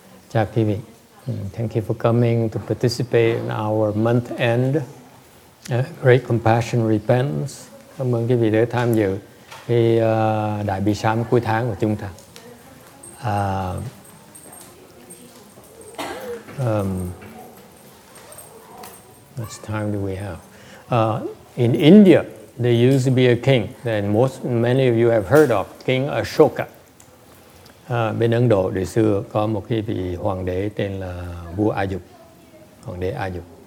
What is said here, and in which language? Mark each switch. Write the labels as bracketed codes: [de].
[en] Jack TV, thank you for coming to participate in our month end. Great Compassion Repentance. [vi] Cảm ơn quý vị đã tham dự cái đại bi sám cuối tháng của chúng ta. [en] What time do we have? In India, there used to be a king that many of you have heard of, King Ashoka. [vi] Bên Ấn Độ đời xưa có một cái vị hoàng đế tên là vua Ayub, hoàng đế Ayub.